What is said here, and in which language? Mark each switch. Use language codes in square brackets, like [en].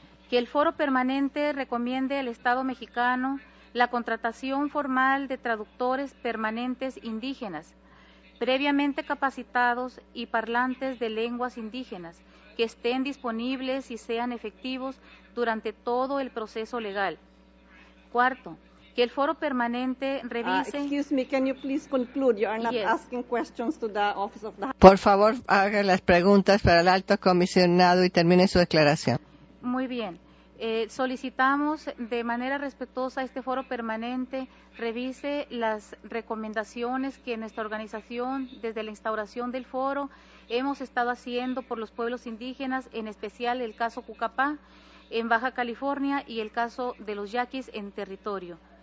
[es] Que el Foro Permanente recomiende al Estado mexicano la contratación formal de traductores permanentes indígenas, previamente capacitados y parlantes de lenguas indígenas, que estén disponibles y sean efectivos durante todo el proceso legal. Cuarto, que el Foro Permanente revise... [en] Excuse me, can you please conclude? You are not asking questions to the Office of the... [es] Por favor, haga las preguntas para el Alto Comisionado y termine su declaración. Muy bien. Solicitamos de manera respetuosa a este Foro Permanente revise las recomendaciones que nuestra organización, desde la instauración del foro, hemos estado haciendo por los pueblos indígenas, en especial el caso Cucapá en Baja California y el caso de los Yaquis en territorio.